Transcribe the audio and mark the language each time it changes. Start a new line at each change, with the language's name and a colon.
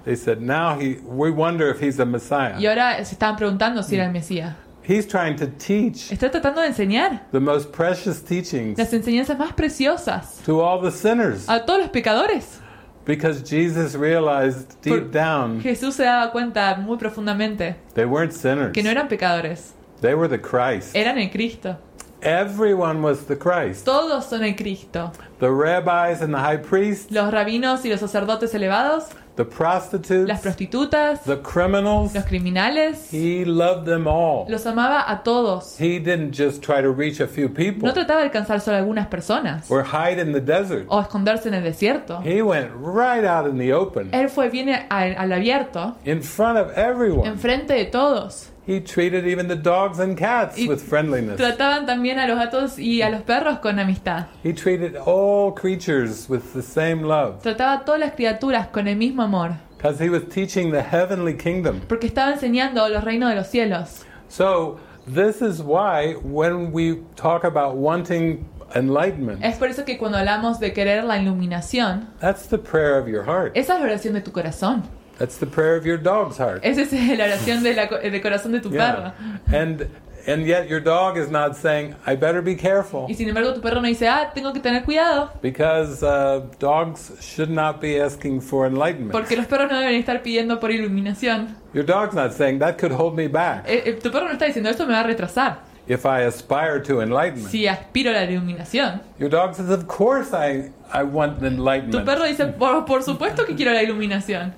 English: They said, "Now we wonder if he's a Messiah."
Spanish: Y ahora se estaban preguntando si era el Mesías.
English: He's trying to teach.
Spanish: Está tratando de enseñar.
English: The most precious teachings.
Spanish: Las enseñanzas más preciosas.
English: To all the sinners.
Spanish: A todos los pecadores.
English: Because Jesus realized deep down.
Spanish: Jesús se daba cuenta muy profundamente.
English: They weren't sinners.
Spanish: Que no eran pecadores.
English: They were the Christ.
Spanish: Eran el Cristo.
English: Everyone was the Christ.
Spanish: Todos son el Cristo.
English: The rabbis and the high priests.
Spanish: Los rabinos y los sacerdotes elevados.
English: The prostitutes.
Spanish: Las prostitutas.
English: The criminals.
Spanish: Los criminales.
English: He loved them all.
Spanish: Los amaba a todos.
English: He didn't just try to reach a few people.
Spanish: No trataba de alcanzar solo algunas personas.
English: Or hide in the desert.
Spanish: O esconderse en el desierto.
English: He went right out in the open.
Spanish: Él fue bien al abierto.
English: In front of everyone.
Spanish: Enfrente de todos.
English: He treated even the dogs and cats with friendliness.
Spanish: Trataban también a los gatos y a los perros con amistad.
English: He treated all creatures with the same love.
Spanish: Trataba a todas las criaturas con el mismo amor.
English: Because he was teaching the heavenly kingdom.
Spanish: Porque estaba enseñando los reinos de los cielos.
English: So this is why when we talk about wanting enlightenment.
Spanish: Es por eso que cuando hablamos de querer la iluminación.
English: That's the prayer of your heart.
Spanish: Esa es la oración de tu corazón.
English: That's the prayer of your dog's heart.
Spanish: Esa es la oración de corazón de tu perro.
English: And yet your dog is not saying, "I better be careful."
Spanish: Y sin embargo tu perro no dice, "Ah, tengo que tener cuidado."
English: Because dogs should not be asking for enlightenment.
Spanish: Porque los perros no deben estar pidiendo por iluminación.
English: Your dog's not saying, "That could hold me back."
Spanish: Tu perro no está diciendo, "Esto me va a retrasar."
English: If I aspire to enlightenment.
Spanish: Si aspiro a la iluminación.
English: Your dog says, "Of course I want enlightenment."
Spanish: Tu perro dice, por supuesto que quiero la iluminación.